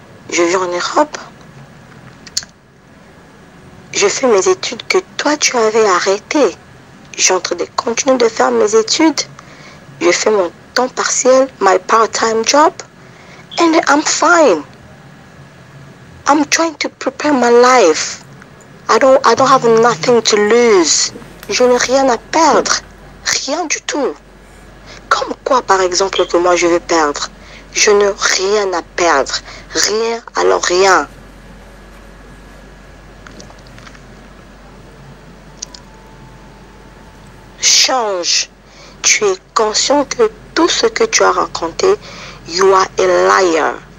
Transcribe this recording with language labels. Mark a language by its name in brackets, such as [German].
[French] Je vis en Europe. Je fais mes études que toi, tu avais arrêtées. J'entre de continuer de faire mes études. Je fais mon temps partiel, [English] my part-time job. And I'm fine. I'm trying to prepare my life. I don't have nothing to lose. [French] Je n'ai rien à perdre. Rien du tout. Comme quoi, par exemple, que moi, je vais perdre. Je n'ai rien à perdre. Rien, alors rien. Change. Tu es conscient que tout ce que tu as raconté, [English] you are a liar.